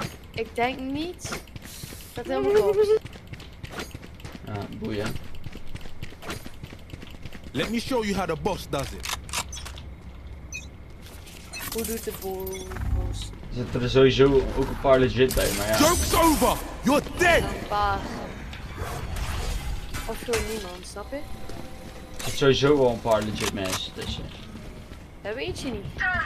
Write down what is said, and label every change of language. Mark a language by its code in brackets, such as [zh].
[nl] Ik denk niet dat het helemaal klopt. Ja, boeien. [en] Let me show you how the boss does it. [nl] Hoe doet de boss? Er zitten er sowieso ook een paar legit bij, maar ja. [en] Joke's over! You're dead! [nl] Een paar. Of gewoon niemand, snap je? Er zitten sowieso wel een paar legit mensen tussen. Dat weet je niet.